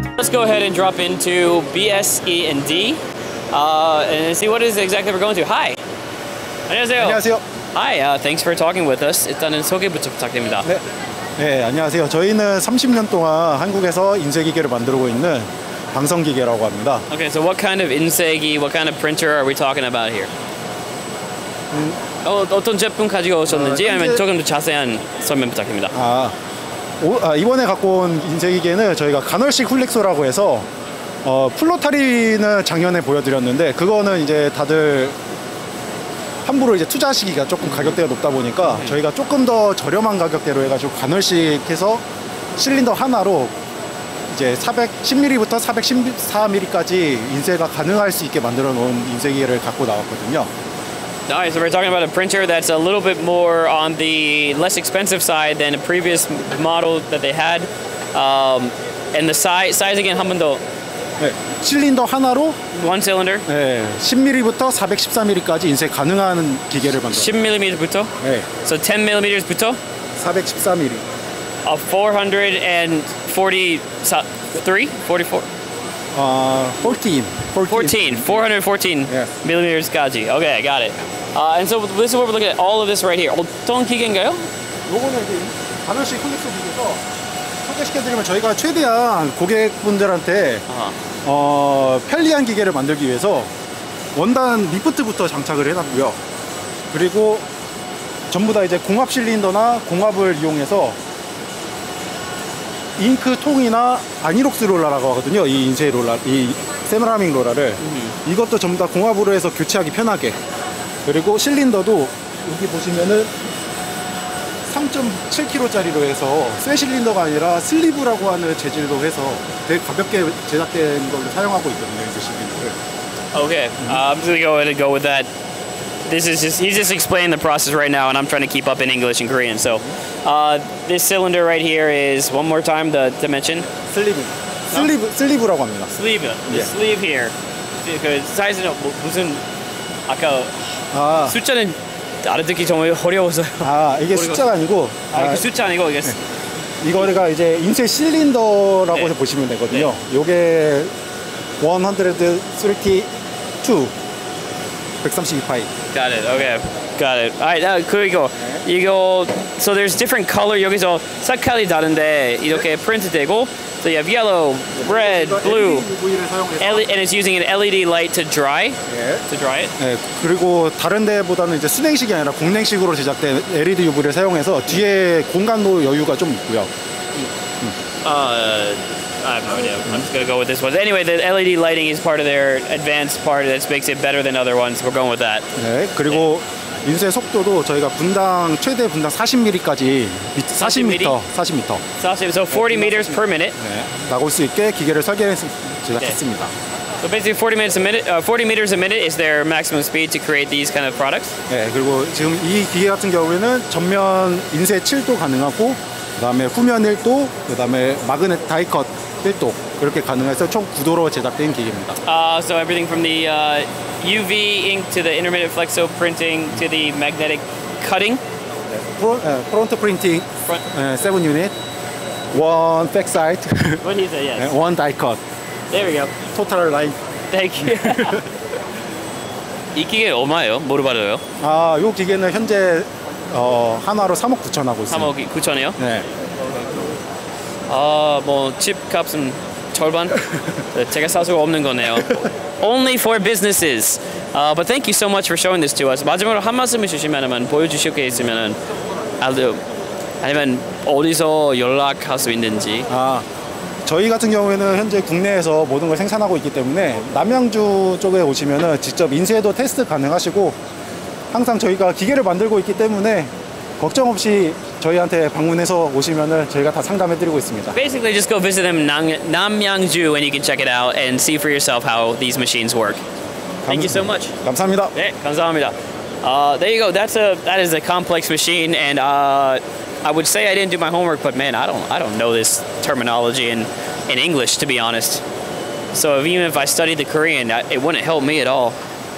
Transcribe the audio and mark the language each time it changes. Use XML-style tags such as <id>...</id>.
<en>go ahead and drop into BSE&D and see what is exactly we're going to.</en> <ko>Hi. 안녕하세요. 안녕하세요.</ko> <en>Hi. Thanks for talking with us.</en> <ko>일단은 소개부터 부탁드립니다. 네. 네, 안녕하세요. 저희는 30년 동안 한국에서 인쇄기계를 만들고 있는 방성기계라고 합니다.</ko> <en>Okay, so what kind of 인쇄기, what kind of printer are we talking about here?</en> <ko>어떤 제품 가지고 오셨는지 아니면 조금 더 자세한 설명 부탁드립니다. 이번에 갖고 온 인쇄기계는 저희가 간헐식 플렉소라고 해서 플로타리는 작년에 보여드렸는데 그거는 이제 다들 함부로 이제 투자하시기가 조금 가격대가 높다 보니까 저희가 조금 더 저렴한 가격대로 해가지고 간헐식해서 실린더 하나로 이제 410mm부터 414mm까지 인쇄가 가능할 수 있게 만들어 놓은 인쇄기계를 갖고 나왔거든요.</ko> <en>Alright, so we're talking about a printer that's a little bit more on the less expensive side than a previous model that they had. And the size again,</en> <ko>한 번 더. 네, 실린더 하나로</ko> <en>One cylinder?</en> <ko>네, 10mm부터 414mm까지 인쇄 가능한 기계를 만들었어요. 10mm부터? 네. So 10mm부터?</ko> <en>414mm. A 414 mm까지. Okay, I got it. And so this is what we're looking at, all of this right here.</en> <ko>어떤 기계인가요? 요거는 이제 간헐식 플렉소 기계에서 소개시켜드리면 저희가 최대한 고객분들한테 편리한 기계를 만들기 위해서 원단 리프트부터 장착을 해놨고요. 그리고 전부 다 이제 공압 실린더나 공압을 이용해서 잉크 통이나 아니록스 롤러라고 하거든요. 이 인쇄 롤러, 이 세라믹 롤러를 이것도 전부 다 공압으로 해서 교체하기 편하게. 그리고 실린더도 여기 보시면은 3.7kg짜리로 해서 쇠 실린더가 아니라 슬리브라고 하는 재질로 해서 되게 가볍게 제작된 걸로 사용하고 있거든요. 이 실린더를.</ko> <en>Okay. I'm just going to go with that. This is just, he's just explaining the process right now and I'm trying to keep up in English and Korean. So, this cylinder right here is, one more time, the dimension? Sleeve. Sleeve, no?</en> <ko>Sleeve라고 합니다.</ko> <en>Sleeve. The yeah. Sleeve here.</en> <ko>그 사이즈는 무슨, 아까 숫자는 알아듣기 정말 어려워서요. 이게 숫자가 아니고. 그 숫자 아니고, 이게. 네. 이거가 이제 인쇄 실린더라고 네. 보시면 되거든요. 네. 요게 132.</ko> <en>132파이. Got it. Okay. Got it. All right. Now, here we go. So there's different color.</en> <ko>여기서 색깔이 다른데 이렇게 프린트 되고.</ko> <en>So you have yellow, red, blue. And it's using an LED light to dry. Yeah. To dry it.</en> <ko>네. 그리고 다른데보다는 이제 수냉식이 아니라 공냉식으로 제작된 LED UV를 사용해서 뒤에 공간도 여유가 좀 있고요.</ko> <en>I have no idea. I'm just gonna go with this one. Anyway, the LED lighting is part of their advanced part that makes it better than other ones. We're going with that.</en> <ko>네, 그리고 네. 인쇄 속도도 저희가 분당 최대 분당 40mm까지 40m. 40m.</ko> <en>40. So 40 meters per minute.</en> <ko>네, 나갈 수 있게 기계를 설계해서 제작했습니다. 네.</ko> <en>So basically 40 minutes a minute, 40 meters a minute is their maximum speed to create these kind of products.</en> <ko>네, 그리고 지금 이 기계 같은 경우에는 전면 인쇄 7도 가능하고 그다음에 후면 1도, 그다음에 마그넷 다이컷 1도 그렇게 가능해서 총 9도로 제작된 기계입니다.</ko> <en>So everything from the UV ink to the intermittent flexo printing to the magnetic cutting. 네, 프론트 프린팅. 7 유닛. 1 백사이드. 1 유닛. Yes.</en> <ko>네, 1 다이컷.</ko> <en>There we go. Total line. Thank you.</en> <ko>이 기계 얼마예요? 뭐로 받아요? 이 기계는 현재 하나로 3억 9천 하고 있어요. 3억 9천이요? 네. 뭐 칩값은 절반? 제가 살 수가 없는 거네요.</ko> <en>Only for businesses. But thank you so much for showing this to us.</en> <ko>마지막으로 한 말씀 주시면 보여주실 게 있으면 아니면 어디서 연락할 수 있는지. 저희 같은 경우에는 현재 국내에서 모든 걸 생산하고 있기 때문에 남양주 쪽에 오시면 직접 인쇄도 테스트 가능하시고 항상 저희가 기계를 만들고 있기 때문에 걱정 없이 저희한테 방문해서 오시면은 저희가 다 상담해드리고 있습니다.</ko> <en>Basically, just go visit them in Namyangju and you can check it out and see for yourself how these machines work. Thank you so much.</en> <ko>감사합니다. 네, 감사합니다.</ko> <en>There you go. That is a complex machine, and I would say I didn't do my homework, but man, I don't know this terminology in English, to be honest. So even if I studied the Korean, it wouldn't help me at all.</en>